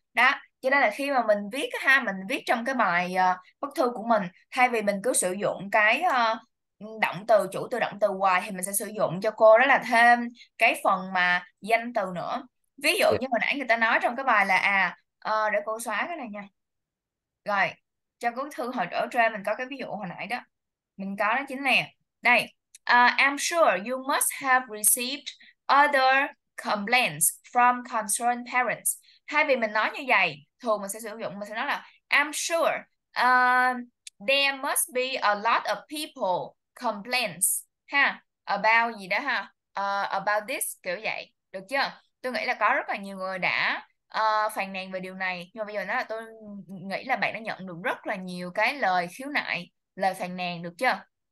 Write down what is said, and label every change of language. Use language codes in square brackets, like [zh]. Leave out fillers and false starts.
[vi] Đó, cho nên là khi mà mình viết ha, mình viết trong cái bài bức thư của mình, thay vì mình cứ sử dụng cái động từ, chủ từ động từ hoài, thì mình sẽ sử dụng cho cô đó là thêm cái phần mà danh từ nữa. Ví dụ như hồi nãy người ta nói trong cái bài là để cô xóa cái này nha. Rồi, trong cuốn thư hồi đổ trên mình có cái ví dụ hồi nãy đó. Mình có đó chính là đây. [en] I'm sure you must have received other complaints from concerned parents. [vi] Thay vì mình nói như vậy, thường mình sẽ sử dụng, mình sẽ nói là [en] I'm sure there must be a lot of people complaints [vi] ha about gì đó ha [en] about this [vi] kiểu vậy, được chưa? Tôi nghĩ là có rất là nhiều người đã phàn nàn về điều này, nhưng mà bây giờ nó là tôi nghĩ là bạn đã nhận được rất là nhiều cái lời khiếu nại, lời phàn nàn, được chưa?